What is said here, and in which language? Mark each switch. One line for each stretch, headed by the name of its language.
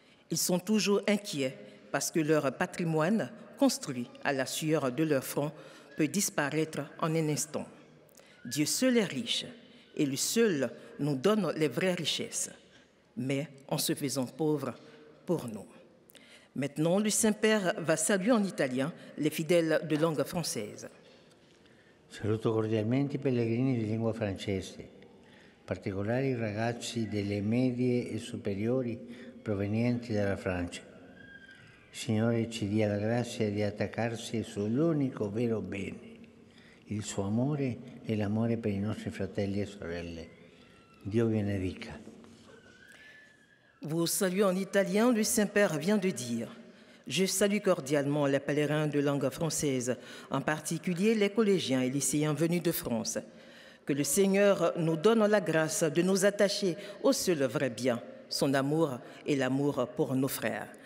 French: Ils sont toujours inquiets parce que leur patrimoine, construit à la sueur de leur front, peut disparaître en un instant. Dieu seul est riche, et lui seul nous donne les vraies richesses, mais en se faisant pauvre pour nous. Maintenant, le Saint-Père va saluer en italien les fidèles de langue française.
Italian: Saluto cordialmente i pellegrini di lingua francese, particolari ragazzi delle medie e superiori provenienti dalla Francia. Signore, ci dia la grazia di attaccarsi sull'unico vero bene, il suo amore e l'amore per i nostri fratelli e sorelle. Dio benedica.
French: Vous saluez en italien, le Saint-Père vient de dire. Je salue cordialement les pèlerins de langue française, en particulier les collégiens et lycéens venus de France. Que le Seigneur nous donne la grâce de nous attacher au seul vrai bien, son amour et l'amour pour nos frères.